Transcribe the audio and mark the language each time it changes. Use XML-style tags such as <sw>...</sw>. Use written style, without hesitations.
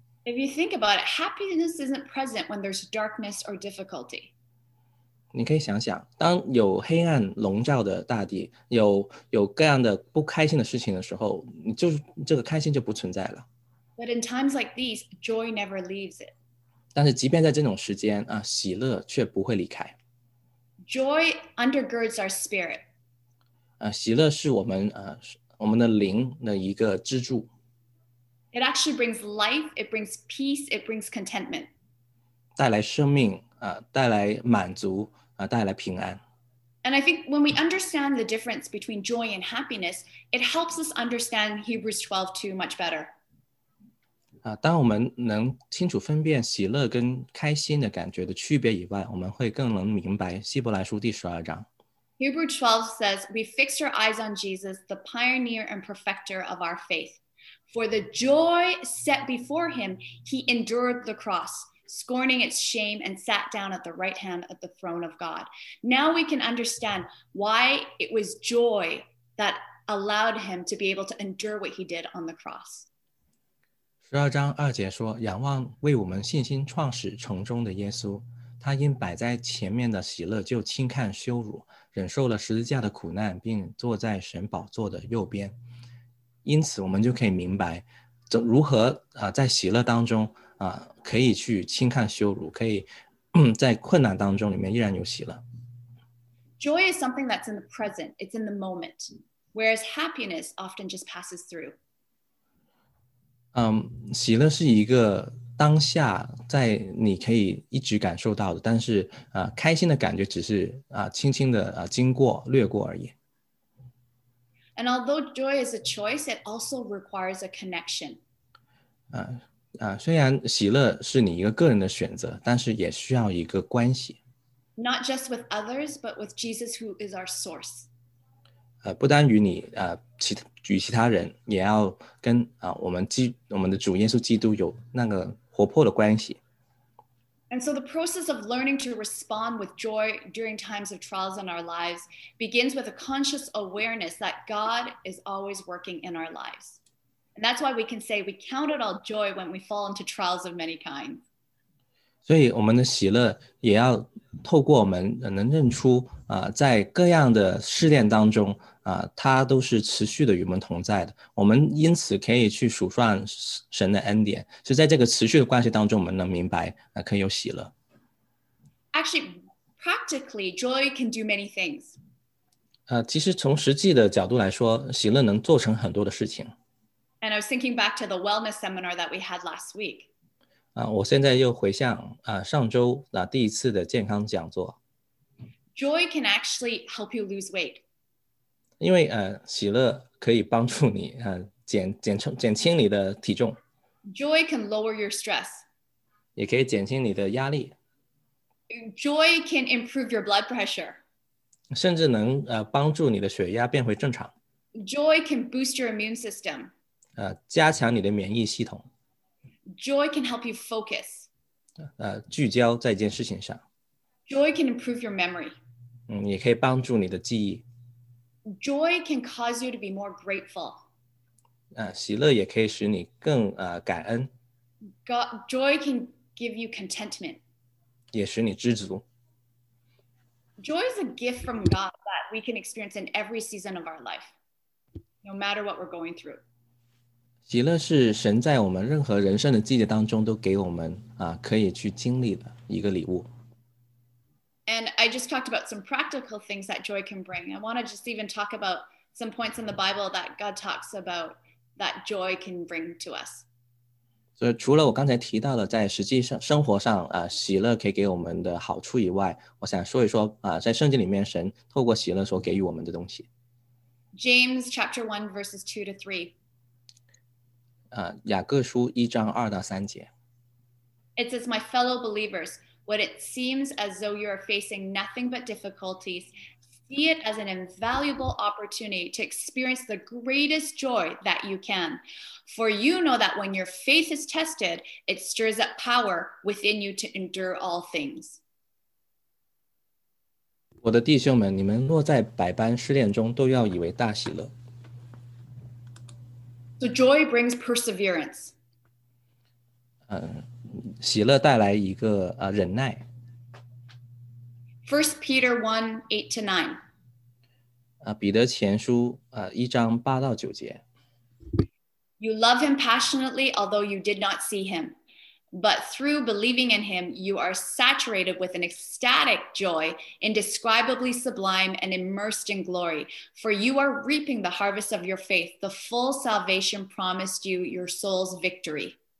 <en>If you think about it, happiness isn't present when there's darkness or difficulty</en> <zh>你可以想想当有黑暗笼罩的大地 有各样的不开心的事情的时候你就这个开心就不存在了</zh> <en>But in times like these, joy never leaves it</en> <zh>但是即便在这种时间、啊、喜乐却不会离开。</zh> <en>Joy undergirds our spirit.、</en> <zh>啊、喜乐是我 们的灵的一个支柱。</zh> <en>It actually brings life, it brings peace, it brings contentment.</en> <zh>带来生命、啊、带来满足、啊、带来平安。</zh> <en>And I think when we understand the difference between joy and happiness, it helps us understand Hebrews 12:2 much better.</en> <zh>啊、当我们能清楚分辨喜乐跟开心的感觉的区别以外我们会更能明白希伯来书第十二章</zh> <en>Hebrews 12 says We fix our eyes on Jesus the pioneer and perfecter of our faith For the joy set before him he endured the cross scorning its shame and sat down at the right hand of the throne of God Now we can understand why it was joy that allowed him to be able to endure what he did on the cross</en> <zh>十二章二节说仰望为我们信心创始成终的耶稣他因摆在前面的喜乐就轻看羞辱忍受了十字架的苦难并坐在神宝座的右边因此我们就可以明白如何、在喜乐当中、可以去轻看羞辱可以在困难当中里面依然有喜乐</zh> <en>Joy is something that's in the present it's in the moment whereas happiness often just passes through</en> <zh>喜乐是一个当下在你可以一直感受到的但是、开心的感觉只是、轻轻的、经过略过而已</zh> <en>And although joy is a choice it also requires a connection</en> <zh>虽然喜乐是你一个个人的选择但是也需要一个关系</zh> <en>Not just with others but with Jesus who is our source</en> <zh>不单与你、与其他人也要跟、我们的主耶稣基督有那个活泼的关系。</zh> <en>And so the process of learning to respond with joy during times of trials in our lives begins with a conscious awareness that God is always working in our lives. And that's why we can say we count it all joy when we fall into trials of many kinds.</en> <zh>所以我们的喜乐也要透过我们能认出、在各样的试炼当中他都是持续的与我们同在的我们因此可以去数算神的恩典所以在这个持续的关系当中我们能明白、可以有喜乐</zh> <en>Actually, practically, joy can do many things</en> <zh>其实从实际的角度来说喜乐能做成很多的事情</zh> <en>And I was thinking back to the wellness seminar that we had last week</en> <zh>我现在又回想、上周、第一次的健康讲座</zh> <en>Joy can actually help you lose weight</en> <zh>因为、喜乐可以帮助你、减轻你的体重</zh> <en>Joy can lower your stress</en> <zh>也可以减轻你的压力</zh> <en>Joy can improve your blood pressure</en> <zh>甚至能、帮助你的血压变回正常</zh> <en>Joy can boost your immune system、</en> <zh>加强你的免疫系统</zh> <en>Joy can help you focus、</en> <zh>聚焦在一件事情上</zh> <en>Joy can improve your memory、</en> <zh>也可以帮助你的记忆</zh> <en>Joy can cause you to be more grateful.</en> <zh>喜乐也可以使你更、感恩。</zh> <en>Joy can give you contentment.</en> <zh>也使你知足。</zh> <en>Joy is a gift from God that we can experience in every season of our life, no matter what we're going through.</en> <zh>喜乐是神在我们任何人生的季节当中都给我们啊，可以去经历的一个礼物。</zh> <en>And I just talked about some practical things that joy can bring. I want to just even talk about some points in the Bible that God talks about that joy can bring to us.</en> <zh>所以除了我刚才提到的在实际上生活上啊，喜乐可以给我们的好处以外，我想说一说啊，在圣经里面神透过喜乐所给予我们的东西。</zh> <en>James chapter 1 verses 2 to 3.</en> <zh>雅各书一章二到三节。</zh> <en>It says, my fellow believers, when it seems as though you are facing nothing but difficulties, see it as an invaluable opportunity to experience the greatest joy that you can. For you know that when your faith is tested, it stirs up power within you to endure all things.</en> <zh>我的弟兄们，你们若在百般试炼中，都要以为大喜乐。</zh> <en>So joy brings perseverance.</en> <zh>喜乐带来一个忍耐。</zh> <en>First Peter 1:8-9.</en> <zh>彼得前书一章八到九节。</zh> <en>You love him passionately, although you did not see him, but through believing in him, you are saturated with an ecstatic joy, indescribably sublime and immersed in glory. For you are reaping the harvest of your faith, the full salvation promised you, your soul's victory.</en>